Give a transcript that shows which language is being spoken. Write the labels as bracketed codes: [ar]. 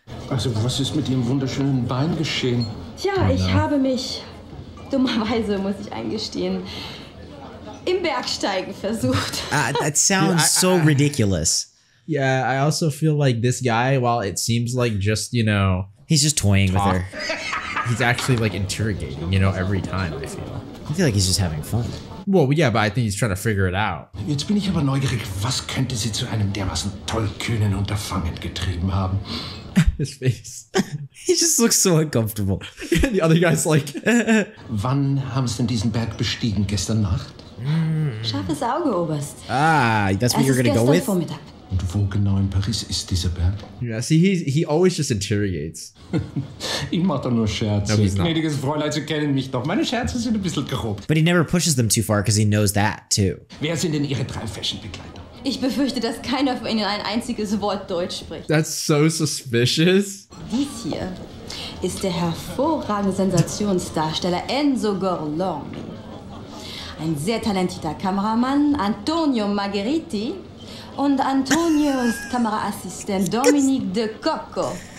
[de] Also, was ist mit ihrem wunderschönen Bein geschehen? Tja, ich habe mich, dummerweise muss ich eingestehen, im Bergsteigen versucht. [en] That sounds so ridiculous. Yeah, I also feel like this guy, while it seems like just, you know... He's just toying with her. He's actually, like, interrogating, you know, every time, I feel. I feel like he's just having fun. Well, yeah, but I think he's trying to figure it out. [de] Jetzt bin ich aber neugierig, was könnte sie zu einem dermaßen tollkühnen Unterfangen getrieben haben? [en] His face. He just looks so uncomfortable. The other guy's like... [de] Wann haben sie denn diesen Berg bestiegen, gestern Nacht? Scharfes Auge, Oberst. [en] That's what you're gonna go with? [de] Vormittag. Und wo genau in Paris ist dieser Berg? [en] Yeah, see, he always just interrogates. [de] Ich mach doch nur Scherze. [en] No, he's not. [de] Gnädiges Fräulein, Sie kennen mich doch. Meine Scherze sind ein bisschen grob. [en] But he never pushes them too far, because he knows that, too. [de] Wer sind denn Ihre drei Fashion-Begleiter? Ich befürchte, dass keiner von Ihnen ein einziges Wort Deutsch spricht. [en] That's so suspicious. [de] Dies hier ist der hervorragende Sensationsdarsteller Enzo Gorlomi. Ein sehr talentierter Kameramann, Antonio Margheriti und Antonios Kameraassistent Dominique de Coco.